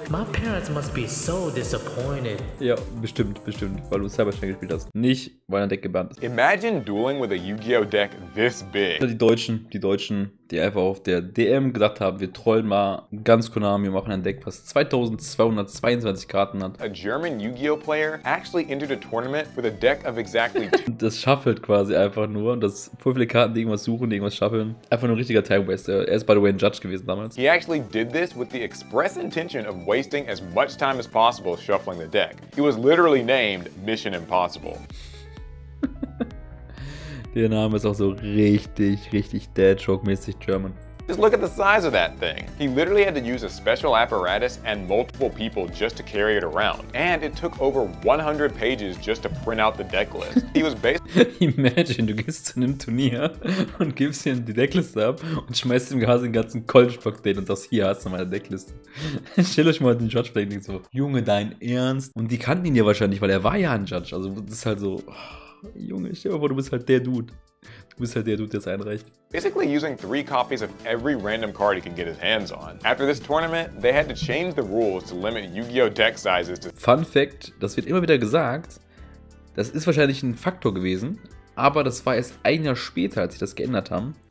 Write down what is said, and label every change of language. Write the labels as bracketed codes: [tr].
[en] My parents must be so disappointed. [de] Ja, bestimmt, weil du Cyberstein gespielt hast. Nicht, weil dein Deck gebannt ist. [en] Imagine dueling with a Yu-Gi-Oh! Deck this big. [de] Die Deutschen, die einfach auf der DM gesagt haben, wir trollen mal ganz Konami und machen ein Deck, was 2222 Karten hat. [en] A German Yu-Gi-Oh! Player actually entered a tournament with a deck of exactly [de] Das shuffelt quasi einfach nur. Das voll viele Karten, die irgendwas suchen, die irgendwas shuffeln. Einfach nur ein richtiger Time-Waste. Er ist, [en] by the way, [de] ein Judge gewesen damals. [en] He actually did this with the express intention of wasting as much time as possible shuffling the deck. It was literally named Mission Impossible. [de] Der Name ist auch so richtig, richtig Deadshock-mäßig German. [en] Just look at the size of that thing. He literally had to use a special apparatus and multiple people just to carry it around. And it took over 100 pages just to print out the decklist. He was basically... [de] Imagine, du gehst zu einem Turnier und gibst ihm die Deckliste ab und schmeißt ihm quasi den ganzen College-Pack-Date und sagst, hier hast du meine Deckliste. Stell euch mal den Judge vor, so, Junge, dein Ernst? Und die kannten ihn ja wahrscheinlich, weil er war ja ein Judge. Also das ist halt so, oh, Junge, stell dir mal vor, du bist halt der Dude. Du bist halt der Dude, der es einreicht. [en] Basically using 3 copies of every random card he can get his hands on. After this tournament, they had to change the rules to limit Yu-Gi-Oh! Deck sizes to... [de] Fun Fact, das wird immer wieder gesagt, das ist wahrscheinlich ein Faktor gewesen, aber das war erst ein Jahr später, als sie das geändert haben.